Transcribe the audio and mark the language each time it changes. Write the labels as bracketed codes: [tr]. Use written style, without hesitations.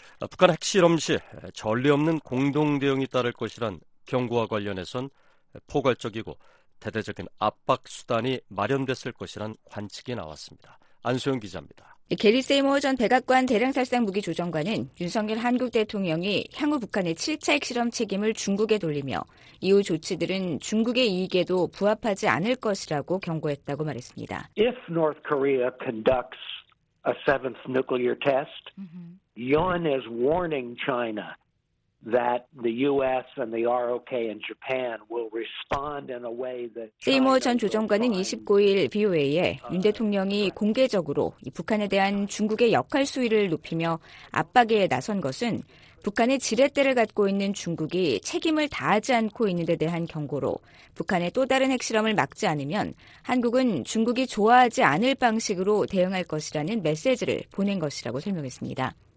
[ko] 북한 핵실험 시 전례 없는 공동대응이 따를 것이란 경고와 관련해선 포괄적이고 대대적인 압박 수단이 마련됐을 것이란 관측이 나왔습니다. 안소영 기자입니다. 게리 세이머 전 백악관 대량살상무기조정관은 윤석열 한국 대통령이 향후 북한의 7차 핵실험 책임을 중국에 돌리며 이후 조치들은 중국의 이익에도 부합하지 않을 것이라고 경고했다고 말했습니다. [en] If North Korea conducts a seventh nuclear test, Yun is warning China that the U.S. and the ROK in Japan will respond in a way that. [ko] 세이머 전 조정관은 29일 VOA에 윤 대통령이 공개적으로 북한에 대한 중국의 역할 수위를 높이며 압박에 나선 것은 북한의 지렛대를 갖고 있는 중국이 책임을 다하지 않고 있는 데 대한 경고로 북한의 또 다른 핵실험을 막지 않으면 한국은 중국이 좋아하지 않을 방식으로 대응할 것이라는 메시지를 보낸 것이라고 설명했습니다.